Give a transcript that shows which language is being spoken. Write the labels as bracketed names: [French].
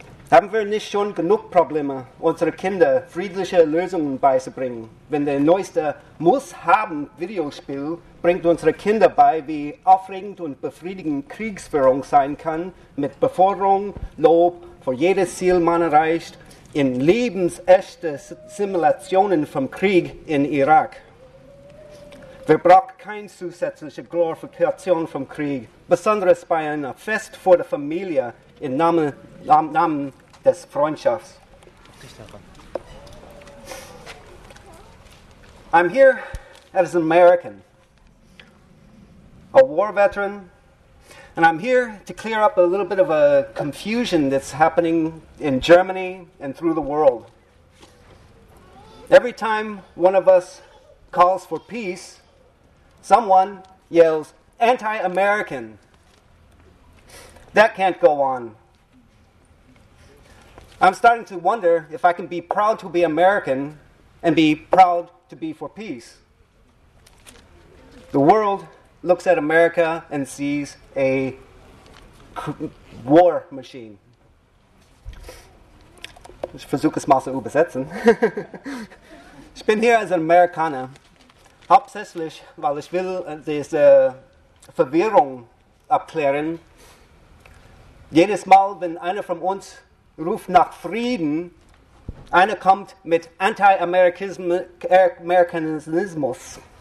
[German] Haben wir nicht schon genug Probleme, unsere Kinder friedliche Lösungen beizubringen, wenn der neueste Muss-Haben-Videospiel bringt unsere Kinder bei, wie aufregend und befriedigend Kriegsführung sein kann, mit Beförderung, Lob, für jedes Ziel man erreicht, in lebensechte Simulationen vom Krieg in Irak. Wir brauchen keine zusätzliche Glorifikation vom Krieg, besonders bei einem Fest vor der Familie im Namen des Freundschafts. [English] I'm here as an American, a war veteran, and I'm here to clear up a little bit of a confusion that's happening in Germany and through the world. Every time one of us calls for peace, someone yells, anti-American. That can't go on. I'm starting to wonder if I can be proud to be American and be proud to be for peace. The world looks at America and sees a war machine. [German] Ich versuche es mal zu übersetzen. Ich bin hier als Amerikaner, hauptsächlich, weil ich will diese Verwirrung abklären. Jedes Mal, wenn einer von uns ruft nach Frieden, einer kommt mit Anti-Amerikanismus.